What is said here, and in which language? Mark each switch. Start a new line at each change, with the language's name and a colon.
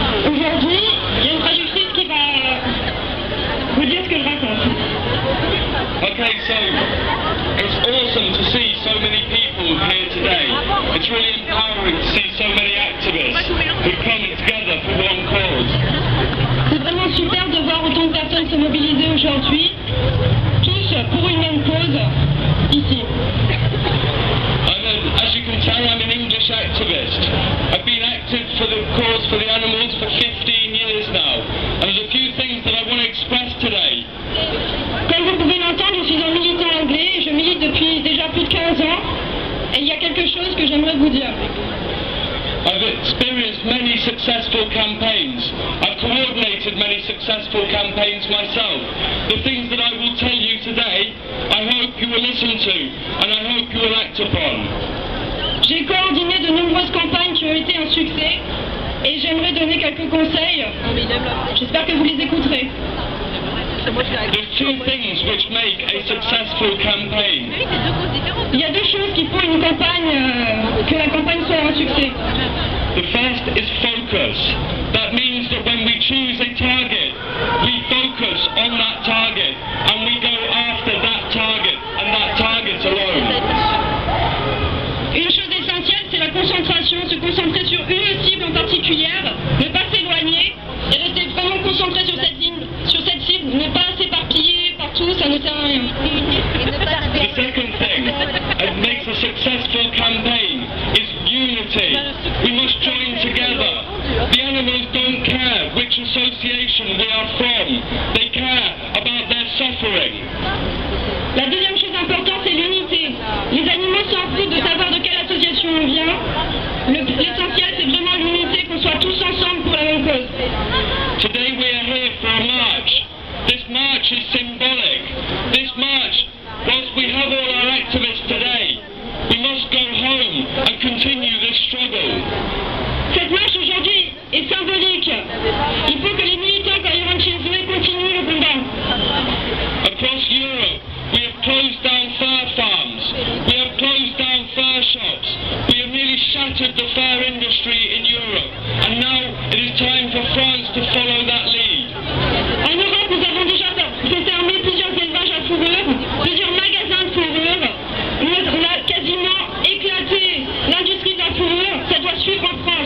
French: Aujourd'hui, il y a une traductrice qui va vous dire ce que je raconte.
English: Okay, so it's awesome to see so many people here today. It's really empowering to see so many activists who come together for one cause.
French: C'est vraiment super de voir autant de personnes se mobiliser aujourd'hui, tous pour une même cause, ici.
English: As you can tell, I'm an English activist. I've been active for the cause for the animals for 15 years now. And there's a few things that I want to express today.
French: Comme vous pouvez l'entendre, je suis un militant anglais et je milite depuis déjà plus de 15 ans. Et il y a quelque chose que j'aimerais vous dire.
English: I've experienced many successful campaigns. I've coordinated many successful campaigns myself. The things that I will tell you today, I hope you will listen to, and I hope you will act upon.
French: J'ai coordonné de nombreuses campagnes qui ont été un succès, et j'aimerais donner quelques conseils. J'espère que vous les écouterez.
English: There's two things which make a successful campaign.
French: Il y a deux choses qui font une campagne, que la campagne soit un succès.
English: The first is focus. That means that when we choose a target, we focus on that target and we go after that target and that target alone.
French: Une chose essentielle, c'est la concentration, se concentrer sur une cible en particulier, ne pas s'éloigner et rester vraiment concentré sur cette ligne. Sur cette cible, ne pas s'éparpiller partout, ça ne sert à rien.
English: The second thing that makes a successful campaign is unity. We must join together. The animals don't care which association they are from. They care about their suffering.
French: La deuxième chose importante, c'est l'unité. Les animaux s'en foutent de savoir de quelle association on vient. L'essentiel, c'est vraiment l'unité, qu'on soit tous ensemble pour la même cause.
English: Today we are here for a march. This march is symbolic. This march, whilst we have all our activists today, we must go home and continue this struggle.
French: Cette marche aujourd'hui est symbolique. Il faut que les militants qui arrivent chez eux continuent le combat.
English: Across Europe, we have closed down fur farms. We have closed down fur shops. We have nearly shattered the fur industry in Europe. And now it is time for France to follow that lead.
French: En Europe, nous avons déjà fermé plusieurs élevages à fourrure, plusieurs magasins de fourrure. On a quasiment éclaté l'industrie de la fourrure. Ça doit suivre en France.